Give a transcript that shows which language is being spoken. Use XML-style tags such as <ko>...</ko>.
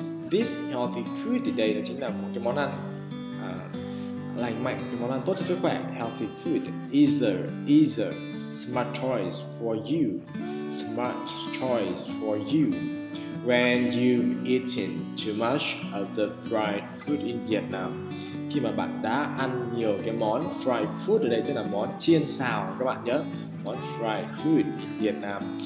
<en>This healthy food</en> <vi>thì đây là chính là một cái món ăn lành mạnh, cái món ăn tốt cho sức khỏe.</vi> <en>Healthy food is a smart choice for you when you've eaten too much of the fried food in Vietnam.</en> <vi>Khi mà bạn đã ăn nhiều cái món fried food ở đây, tức là món chiên xào các bạn nhớ, món</vi> <en>fried food in Vietnam.</en>